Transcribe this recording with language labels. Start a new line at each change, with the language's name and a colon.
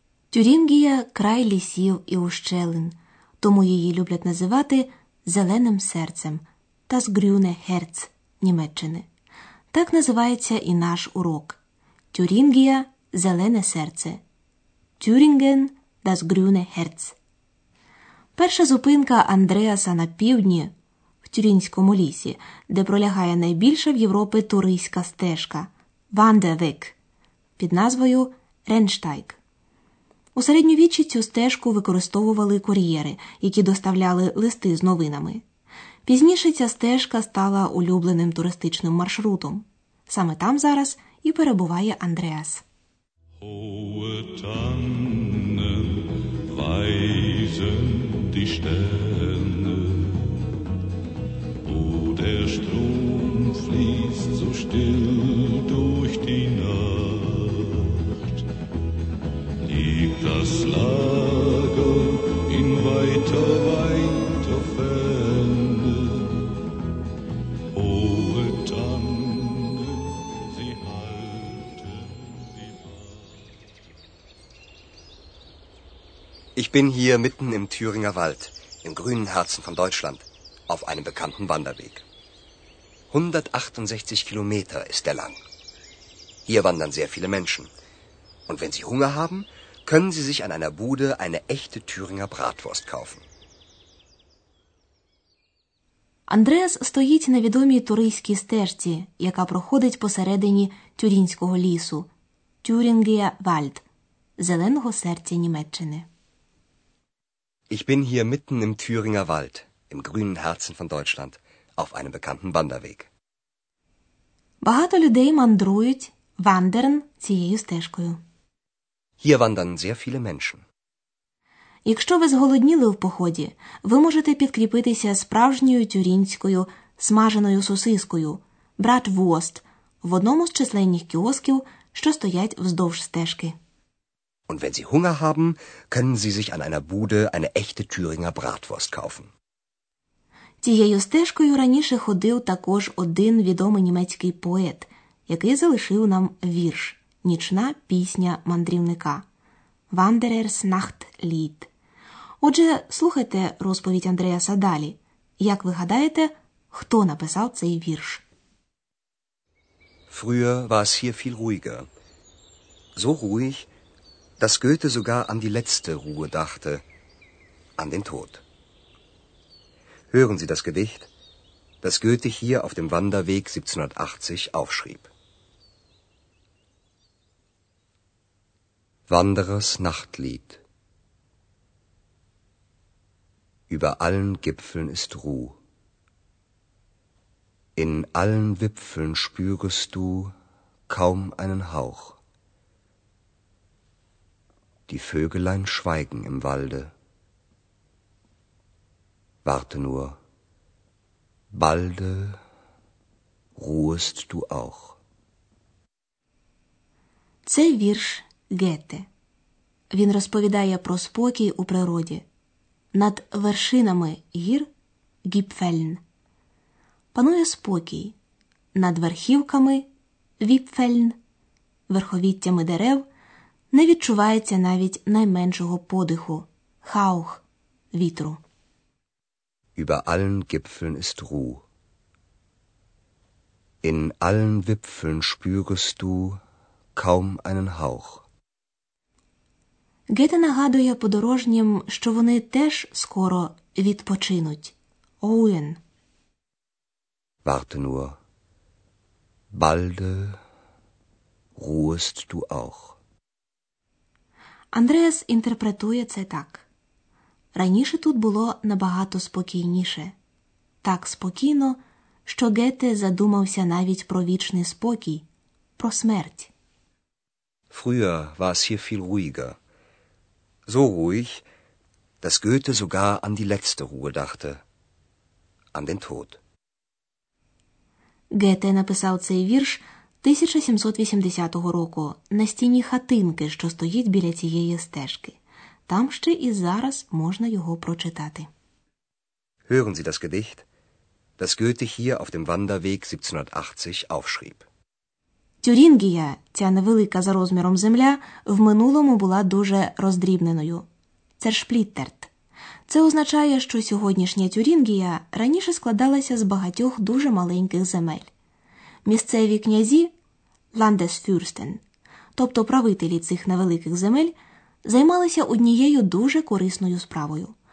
Ukrainian: Тюрінгія – край лісів і ущелин, тому її люблять називати «зеленим серцем» та
German: «Grüne Herz»
Ukrainian: Німеччини. Так називається і наш урок. Тюрінгія – зелене серце.
German: Тюрінген – das Grüne Herz.
Ukrainian: Перша зупинка Андреаса на півдні, в Тюрінському лісі, де пролягає найбільша в Європі туристська стежка – Wanderweg під назвою «Rennsteig». У середньовіччі цю стежку використовували кур'єри, які доставляли листи з новинами. Пізніше ця стежка стала улюбленим туристичним маршрутом. Саме там зараз і перебуває Андреас.
German: Hohe Tannen weisen die Sterne, wo der Strom fließt so still durch die Nacht. Das Lager in weiter, weiter Ferne. Hohe Tannen, sie halten die Wacht. Ich bin hier mitten im Thüringer Wald, im grünen Herzen von Deutschland, auf einem bekannten Wanderweg. 168 Kilometer ist der lang. Hier wandern sehr viele Menschen. Und wenn sie Hunger haben, können Sie sich an einer Bude eine echte Thüringer Bratwurst kaufen.
Ukrainian: Андреас стоїть на відомій туристській стежці, яка проходить посередині Тюрінського лісу. Thüringer Wald – зеленого серця Німеччини.
German: Ich bin hier mitten im Thüringer Wald, im grünen Herzen von Deutschland, auf einem bekannten Wanderweg.
Ukrainian: Багато людей мандрують, wandern цією стежкою.
German: Hier wandern sehr viele Menschen.
Ukrainian: Якщо ви зголодніли в поході, ви можете підкріпитися справжньою тюрінською смаженою сосискою – Bratwurst в одному з численних кіосків, що стоять вздовж стежки.
German: Und wenn Sie Hunger haben, können Sie sich an einer Bude eine echte Thüringer Bratwurst kaufen.
Ukrainian: Цією стежкою раніше ходив також один відомий німецький поет, який залишив нам вірш. Нічна пісня мандрівника.
German: Wanderers Nachtlied.
Ukrainian: Отже, слухайте розповідь Андреаса далі. Як ви гадаєте, хто написав цей вірш?
German: Früher war es hier viel ruhiger. So ruhig, dass Goethe sogar an die letzte Ruhe dachte. An den Tod. Hören Sie das Gedicht, das Goethe hier auf dem Wanderweg 1780 aufschrieb. Wanderers Nachtlied. Über allen Gipfeln ist Ruh. In allen Wipfeln spürest du kaum einen Hauch. Die Vögelein schweigen im Walde. Warte nur, balde ruhest du auch.
Ukrainian: Цей вірш Гете. Він розповідає про спокій у природі. Над вершинами гір – Gipfeln. Панує спокій. Над верхівками – Wipfeln. Верховіттями дерев не відчувається навіть найменшого подиху – Hauch – вітру.
German: Über allen Gipfeln ist Ruh. In allen Wipfeln spürest du kaum einen Hauch.
Ukrainian: Гете нагадує подорожнім, що вони теж скоро відпочинуть. Оуен.
German: Warte nur. Balde ruhest du auch.
Ukrainian: Андреас інтерпретує це так. Раніше тут було набагато спокійніше. Так спокійно, що Гете задумався навіть про вічний спокій, про смерть.
German: Früher war es hier viel ruhiger. So ruhig, dass Goethe sogar an die letzte Ruhe dachte. An den Tod.
Ukrainian: Гете написав цей вірш 1780 року на стіні хатинки, що стоїть біля цієї стежки. Там ще і зараз можна його прочитати.
German: Hören Sie das Gedicht, das Goethe hier auf dem Wanderweg 1780 aufschrieb.
Ukrainian: Тюрінгія, ця невелика за розміром земля, в минулому була дуже роздрібненою. Цершпліттерт. Це означає, що сьогоднішня Тюрінгія раніше складалася з багатьох дуже маленьких земель. Місцеві князі – Landesfürsten, тобто правителі цих невеликих земель, займалися однією дуже корисною справою.